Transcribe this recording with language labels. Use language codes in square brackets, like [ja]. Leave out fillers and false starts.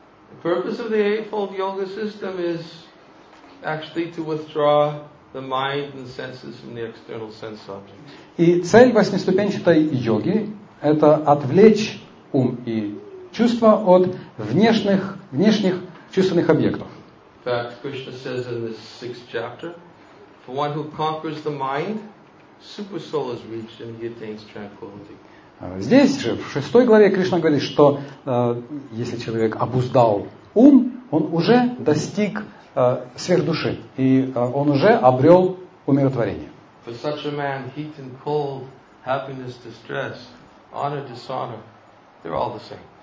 [en] The purpose of the Eightfold Yoga System is actually to withdraw the mind and senses from the external sense objects. [ru] И цель восьмиступенчатой йоги – это отвлечь ум и чувства от внешних чувственных объектов. [en] In fact, Krishna says in this sixth chapter, for one who conquers the mind, super soul is reached and he attains tranquility. [ru] Здесь же, в шестой главе, Кришна говорит, что если человек обуздал ум, он уже достиг сверхдуши, и он уже обрел умиротворение. [en] For such a man, heat and cold, happiness, distress, honor, dishonor, they're all the same.